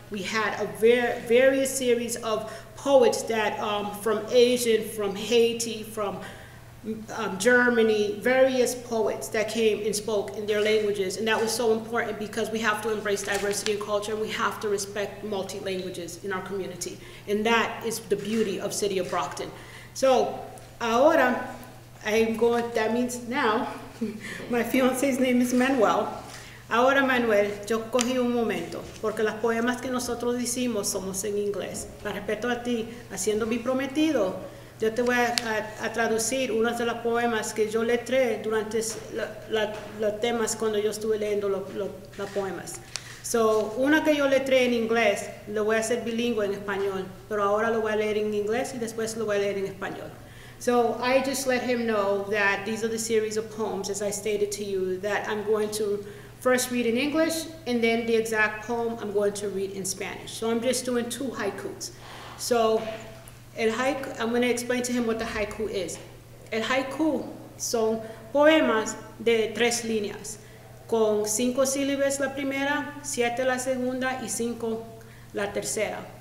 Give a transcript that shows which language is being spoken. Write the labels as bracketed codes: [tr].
[en] We had a various series of poets that from Asian, from Haiti, from Germany, various poets that came and spoke in their languages, and that was so important because we have to embrace diversity and culture, and we have to respect multi-languages in our community, and that is the beauty of City of Brockton. So, [es] ahora, [en] that means now, my fiancé's name is Manuel. [es] Ahora, Manuel, yo cogí un momento, porque las poemas que nosotros decimos somos en inglés. Para respeto a ti, haciendo mi prometido, yo te voy a traducir unas de las poemas que yo letré durante los temas cuando yo estuve leyendo los poemas. So, una que yo letré en inglés, lo voy a hacer bilingüe en español, pero ahora lo voy a leer en inglés y después lo voy a leer en español. [en] So, I just let him know that these are the series of poems, as I stated to you, that I'm going to first read in English, and then the exact poem I'm going to read in Spanish. So, I'm just doing two haikus. So, I'm going to explain to him what the haiku is. [es] El haiku son poemas de tres líneas, con cinco sílabas la primera, siete la segunda y cinco la tercera.